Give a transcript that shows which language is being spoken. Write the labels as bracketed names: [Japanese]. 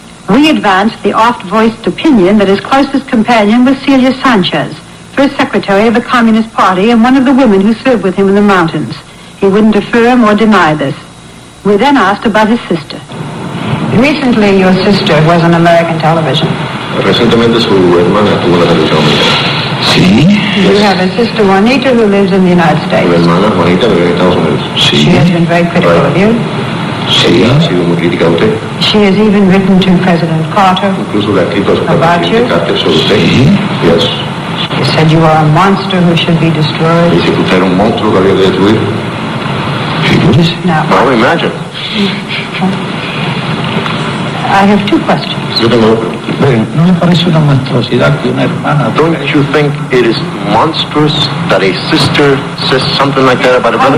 [English] We advance the oft-voiced opinion that his closest companion was Celia Sanchez, first secretary of the Communist Party and one of the women who served with him in the mountains. He wouldn't affirm or deny this. We then asked about his sister. Recently, your sister was on American television. [Spanish] Recientemente, su hermana tuvo la televisión americana. Sí. [English] You have a sister, Juanita, who lives in the United States. [Spanish] Mi hermana, Juanita, vive en Estados Unidos. Sí. [English] She has been very critical of you. [Spanish] Sí, ha sido muy crítica a usted. [English] She has even written to President Carter about you. [Spanish] Sí. [English] Yes. He said you are a monster who should be destroyed. [Spanish] Dice que usted era un monstruo que había que destruir. [English] Now, imagine. I have two questions. [Spanish] Yo tengo otro. ¿No le parece una monstruosidad que una hermana? [English] Don't you think it is monstrous that a sister says something like that about a brother?